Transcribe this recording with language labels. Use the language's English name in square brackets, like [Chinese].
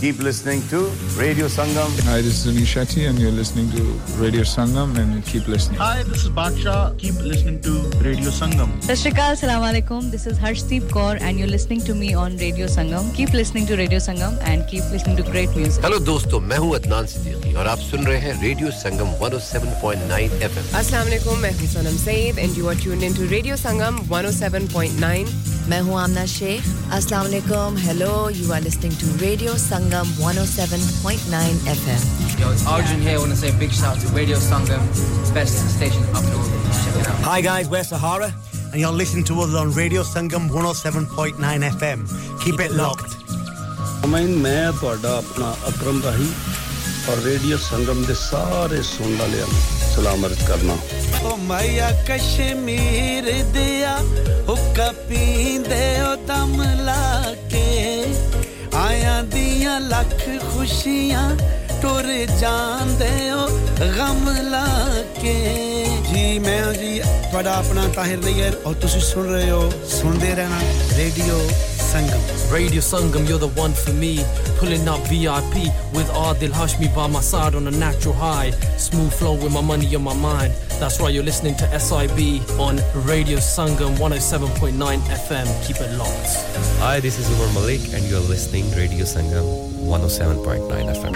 [English] Keep listening to Radio Sangam. Hi, this is Anish Shetty, and you're listening to Radio Sangam, and keep listening. Hi, this is Baksha. Keep listening to Radio Sangam. Sashrikal, Assalamu Alaikum. This is Harshdeep Kaur, and you're listening to me on Radio Sangam. Keep listening to Radio Sangam, and keep listening to great music. Hello, dosto. [Hindi] मैं हूं अदनान सिद्दीकी और आप सुन रहे हैं radio संगम 107.9 FM. [English] अस्सलाम वालेकुम, [Hindi] मैं हूं [English] Sanam Saeed and you are tuned in to radio Sangam 107.9. [Hindi] मैं हूं आमना शेख. [English] अस्सलाम वालेकुम, hello, you are listening to radio Sangam 107.9 FM. Yo, it's Arjun here. Want to say big shout to radio Sangam, best station up north. Hi guys, we're Sahara and you are listening to us on radio Sangam 107.9 FM. Keep it locked. [Punjabi] ਮੈਂ ਤੁਹਾਡਾ ਆਪਣਾ ਅਕਰਮ ਰਾਹੀ ਔਰ radio ਸੰਗਮ ਦੇ ਸਾਰੇ ਸੁਣਨ ਵਾਲਿਆਂ ਨੂੰ ਸਲਾਮ ਅਰਜ਼ ਕਰਨਾ. ਓ ਮਾਇਆ ਕਸ਼ਮੀਰ ਦਿਆ ਹੁੱਕਾ ਪੀਂਦੇ ਓ ਦਮ ਲਾ ਕੇ ਆਇਆਂ ਦੀਆਂ ਲੱਖ ਖੁਸ਼ੀਆਂ ਟੁਰ ਜਾਂਦੇ ਓ ਗਮ ਲਾ ਕੇ. ਜੀ ਮੈਂ ਜੀ ਤੁਹਾਡਾ ਆਪਣਾ ਤਾਹਿਰ ਨਈਅਰ ਔਰ ਤੁਸੀਂ ਸੁਣ ਰਹੇ ਹੋ ਸੁਣਦੇ ਰਹਿਣਾ radio. Sangam. [English] Radio Sangam, you're the one for me. Pulling up VIP with Adil Hashmi by my side on a natural high. Smooth flow with my money on my mind. That's right, you're listening to SIB on Radio Sangam 107.9 FM. Keep it locked. Hi, this is Umar Malik and you're listening to Radio Sangam 107.9 FM.